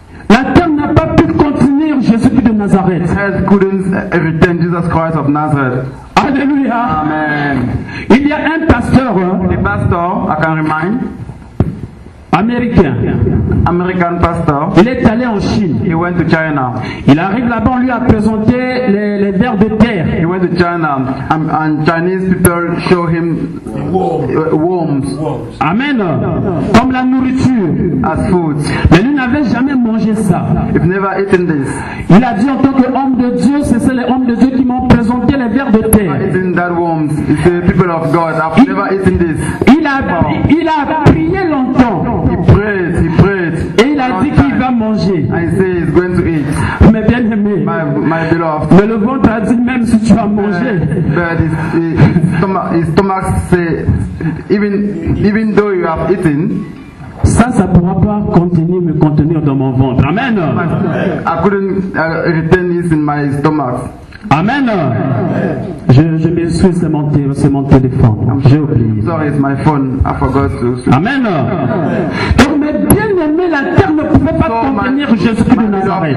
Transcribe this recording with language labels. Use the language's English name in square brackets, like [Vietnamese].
[French] La terre n'a pas pu contenir Jésus-Christ de Nazareth. [English] The earth couldn't retain Jesus Christ of Nazareth. Alléluia. Amen. [French] Il y a un pasteur. [English] The pastor, I can remind. [French] Américain. [English] American pastor. [French] Il est allé en Chine. [English] He went to China. [French] Il arrive là-bas, on lui a présenté les vers de terre. [English] He went to China. And Chinese people show him worms. [French] Amen. Comme la nourriture. [English] As food. [French] Mais lui n'avait jamais mangé ça. [English] He've never eaten this. [French] Il a dit en tant qu'homme de Dieu, c'est les hommes de Dieu qui m'ont présenté les vers de terre. [English] I've eaten that worms. It's the people of God. I've never eaten this. [French] Il a prié longtemps. [English] He prayed. [French] Et il a dit qu'il va manger. [English] I say he's going to eat. [French] Mais bien aimé. [English] My beloved. [French] Mais le ventre a dit même si tu vas manger. [English] But his stomach say even though you have eaten. [French] Ça pourra pas contenir me contenir dans mon ventre. [English] Amen. I couldn't retain this in my stomach. [French] Amen. Je m'excuse, c'est mon téléphone. J'ai oublié. [English] Sorry, it's my phone. I forgot to. Amen. [French] Donc mes bien-aimés, la terre ne pouvait pas contenir Jésus de Nazareth.